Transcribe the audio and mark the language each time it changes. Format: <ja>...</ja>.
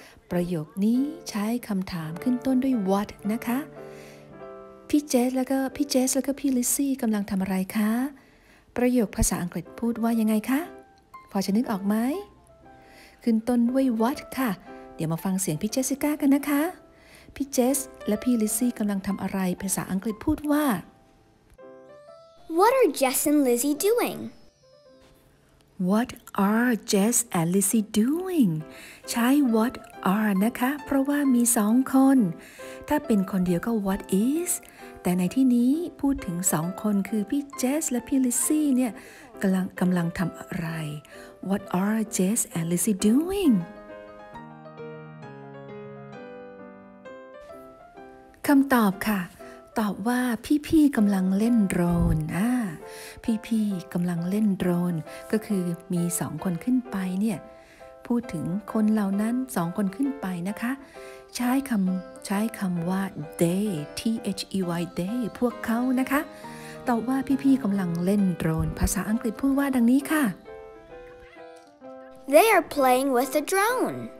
<th>ประโยคนี้ใช้คำถามขึ้นต้นด้วย what นะคะพี่เจสแล้วก็พี่เจสแล้วก็พี่ลิซซี่กำลังทำอะไรคะประโยคภาษาอังกฤษพูดว่ายังไงคะพอจะนึกออกไหมขึ้นต้นด้วย what ค่ะเดี๋ยวมาฟังเสียงพี่เจสสิก้ากันนะคะพี่เจสและพี่ลิซซี่กำลังทำอะไรภาษาอังกฤษพูดว่า</th> <en>what are Jess and Lizzie doing? What are Jess and Lizzie doing?</en> <th>ใช้ What are นะคะเพราะว่ามีสองคนถ้าเป็นคนเดียวก็ What is แต่ในที่นี้พูดถึงสองคนคือพี่ Jess และพี่ Lizzie เนี่ยกำลังทำอะไร</th> <en>What are Jess and Lizzie doing?</en> <th>คำตอบค่ะตอบว่าพี่ๆกำลังเล่นโดรนพี่ๆกำลังเล่นโดรนก็คือมีสองคนขึ้นไปเนี่ยพูดถึงคนเหล่านั้นสองคนขึ้นไปนะคะใช้คำว่า they they พวกเขานะคะตอบว่าพี่ๆกำลังเล่นโดรนภาษาอังกฤษพูดว่าดังนี้ค่ะ</th> <en>they are playing with the drone</en>